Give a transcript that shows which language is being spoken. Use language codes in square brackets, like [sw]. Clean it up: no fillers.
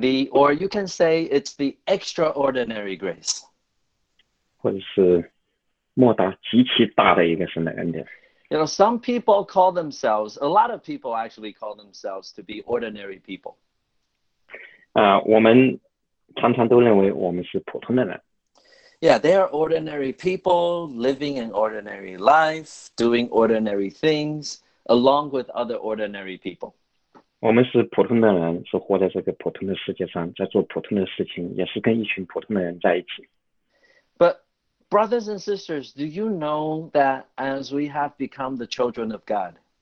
[en] Or you can say it's the extraordinary grace. [zh] 或者是莫大极其大的一个神的恩典。 [en] You know, some people call themselves, a lot of people actually call themselves to be ordinary people. [zh] 我们常常都认为我们是普通的人。 [en] Yeah, they are ordinary people living an ordinary life, doing ordinary things, along with other ordinary people. [zh] 我们是普通的人,是活在这个普通的世界上,在做普通的事情,也是跟一群普通的人在一起。 [en] But brothers and sisters, do you know that as we have become the children of God?